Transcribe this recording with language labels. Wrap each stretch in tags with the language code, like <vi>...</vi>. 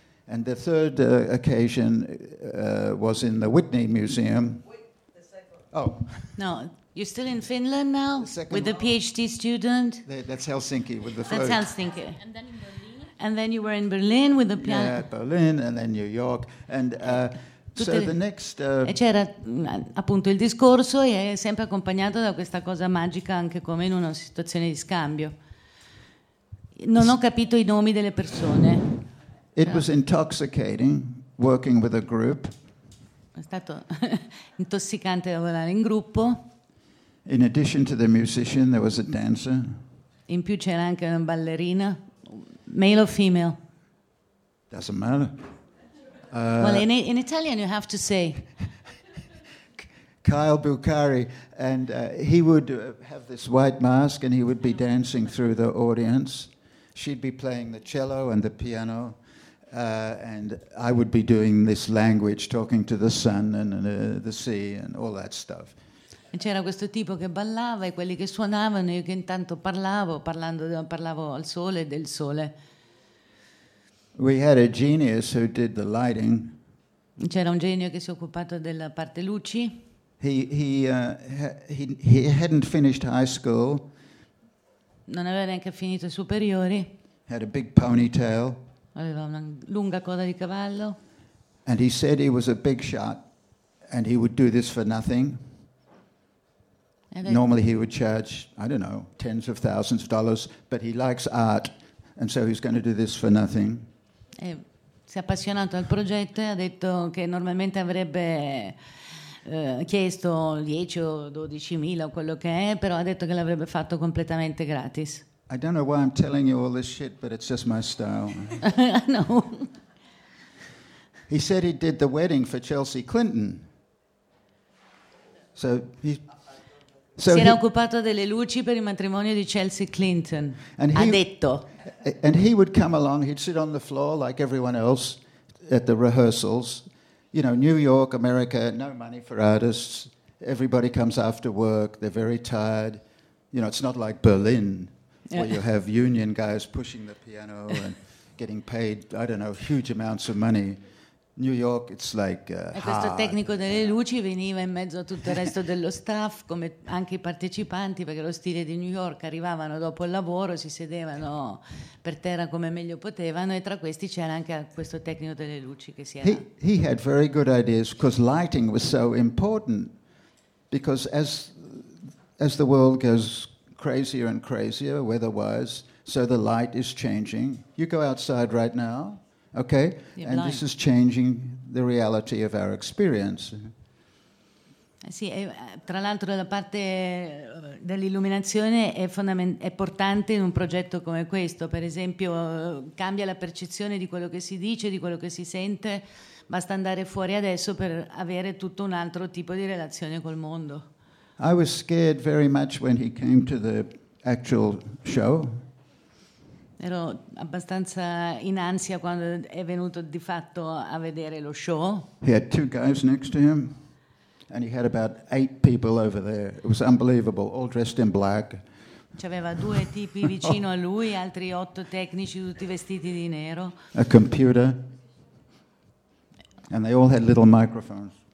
<en>And the third occasion was in the Whitney Museum. Oh. No, you're still in Finland now with a PhD student? That's Helsinki with the flute. That's Helsinki. And then in Berlin? And then you were in Berlin with the piano. Yeah, Berlin and then New York. And so the next...</en> <it>E c'era appunto il discorso e è sempre accompagnato da questa cosa magica anche come in una situazione di scambio. Non ho capito i nomi delle persone.</it> <en>It was intoxicating working with a group.</en> <it>È stato intossicante lavorare in gruppo.</it> <en>In addition to the musician, there was a dancer.</en> <it>In più c'era anche una ballerina,</it> <en>male or female? Doesn't matter. Well, in Italian you have to say. Kyle Bucari, and he would have this white mask and he would be dancing through the audience. She'd be playing the cello and the piano. And I would be doing this language, talking to the sun and the sea and all that stuff.</en> <it>E c'era questo tipo che ballava e quelli che suonavano, io che intanto parlavo, parlavo al sole e del sole.</it> <en>We had a genius who did the lighting.</en> <it>C'era un genio che si è occupato della parte luci.</it> <en>He hadn't finished high school.</en> <it>Non aveva neanche finito i superiori.</it> <en>Had a big ponytail.</en> <it>Aveva una lunga coda di cavallo.</it> <en>And he said he was a big shot and he would do this for nothing. Normally he would charge, I don't know, tens of thousands of dollars, but he likes art and so he's going to do this for nothing.</en> <it>E si è appassionato al progetto e ha detto che normalmente avrebbe chiesto 10 o 12 mila o quello che è, però ha detto che l'avrebbe fatto completamente gratis.</it> <en>I don't know why I'm telling you all this shit, but it's just my style. No. He said he did the wedding for Chelsea Clinton.</en> <it>Si era occupato delle luci per il matrimonio di Chelsea Clinton. And ha detto.</it> <en>And he would come along, he'd sit on the floor like everyone else at the rehearsals. You know, New York, America, no money for artists. Everybody comes after work, they're very tired. You know, it's not like Berlin. Yeah. Where you have union guys pushing the piano and getting paid, I don't know, huge amounts of money. New York, it's like hard.</en> <it>E questo tecnico delle luci veniva in mezzo a tutto il resto dello staff, come anche i partecipanti, perché lo stile di New York, arrivavano dopo il lavoro, si sedevano per terra come meglio potevano, e tra questi c'era anche questo tecnico delle luci che si era...</it> <en>He had very good ideas, because lighting was so important, because as the world goes... crazier and crazier weather-wise, so the light is changing. You go outside right now, okay? Yeah, and blind. This is changing the reality of our experience.</en> <it>Sì, tra l'altro la parte dell'illuminazione è importante in un progetto come questo. Per esempio, cambia la percezione di quello che si dice, di quello che si sente. Basta andare fuori adesso per avere tutto un altro tipo di relazione col mondo.</it> <en>I was scared very much when he came to the actual show.</en> <it>Ero abbastanza in ansia quando è venuto di fatto a vedere lo show.</it> <en>He had two guys next to him, and he had about 8 people over there. It was unbelievable, all dressed in black.</en> <it>C'aveva due tipi vicino a lui, altri 8 tecnici tutti vestiti di nero.</it> <en>A computer, and they all had little microphones.</en>